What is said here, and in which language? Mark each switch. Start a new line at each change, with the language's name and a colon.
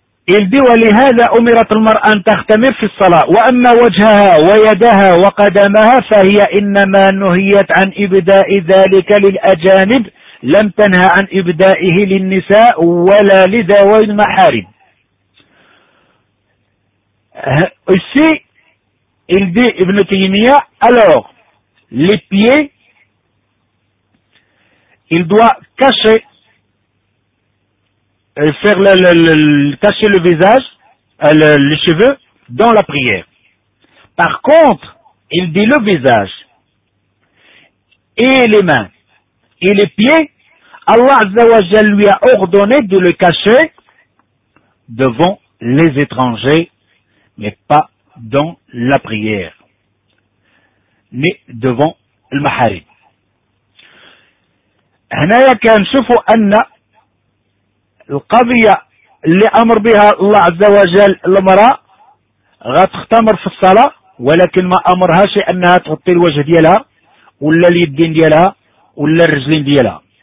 French: Il dit,
Arabic: ولهذا أمرت المرأة أن تختمر في الصلاة وأما وجهها ويدها وقدمها فهي إنما نهيت عن إبداء ذلك للأجانب لم تنهى عن إبدائه للنساء ولا لذوي المحارم.
French: Ici, il dit Ibn Taymiyyah, alors, les pieds, il doit cacher. Faire cacher le visage, les cheveux, dans la prière. Par contre, il dit le visage, et les mains, et les pieds, Allah Azza wa Jal lui a ordonné de le cacher devant les étrangers, mais pas dans la prière, mais devant le maharim.
Arabic: Hanaya kan shufu anna القضية اللي أمر بها الله عز وجل المرأة غتختمر في الصلاة ولكن ما أمرهاش أنها تغطي الوجه ديالها ولا اليدين ديالها ولا الرجلين ديالها.